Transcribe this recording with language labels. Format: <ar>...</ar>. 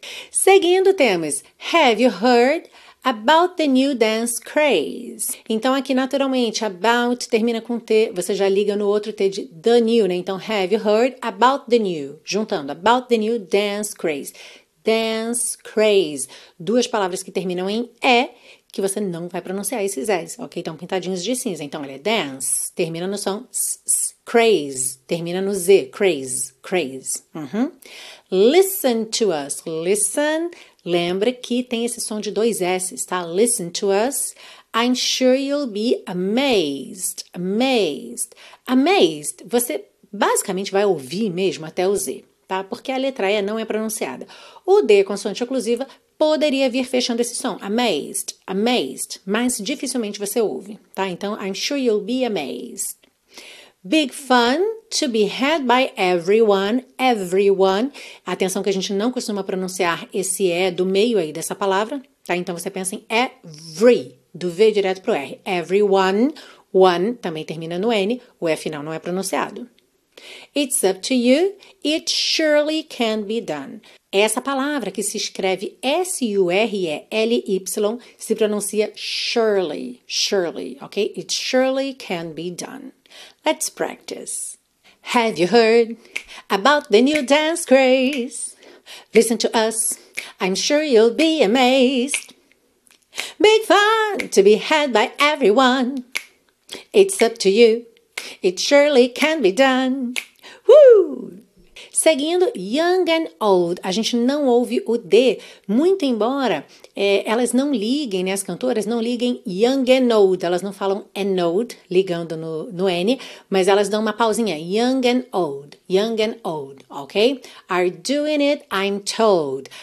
<pt>Seguindo temos,</pt> <en>have you heard about the new dance craze?</en> <pt>Então aqui naturalmente, about termina com T, você já liga no outro T de the new, né?</pt> <en>Então, have you heard about the new? Juntando, about the new dance craze. Dance craze.</en> <pt>Duas palavras que terminam em E, que você não vai pronunciar esses S, ok? Estão pintadinhos de cinza. Então, ele é dance, termina no som s, craze, termina no Z, craze, craze.</pt> <en>Listen to us.</en> <pt>Listen, lembra que tem esse som de dois S, tá?</pt> <en>Listen to us. I'm sure you'll be amazed. Amazed. Amazed.</en> <pt>Você basicamente vai ouvir mesmo até o Z, tá? Porque a letra E não é pronunciada. O D, consoante oclusiva, poderia vir fechando esse som. Amazed, amazed. Mas dificilmente você ouve, tá?</pt> <en>Então, I'm sure you'll be amazed. Big fun to be had by everyone, everyone.</en> <pt>Atenção que a gente não costuma pronunciar esse E do meio aí dessa palavra, tá? Então, você pensa em every, do V direto pro R. Everyone, one também termina no N, o E final não é pronunciado.</pt> <en>It's up to you, it surely can be done.</en> <pt>Essa palavra que se escreve S-U-R-E-L-Y se pronuncia surely, surely, ok?</pt> <en>It surely can be done. Let's practice. Have you heard about the new dance craze? Listen to us, I'm sure you'll be amazed. Big fun to be had by everyone. It's up to you, it surely can be done. Seguindo, young and old.</en> <pt>A gente não ouve o D, muito embora elas não liguem, né? As cantoras não liguem</pt> <en>young and old.</en> <pt>Elas não falam and old, ligando no N, mas elas dão uma pausinha.</pt> <en>Young and old, ok? Are doing it, I'm told.</en>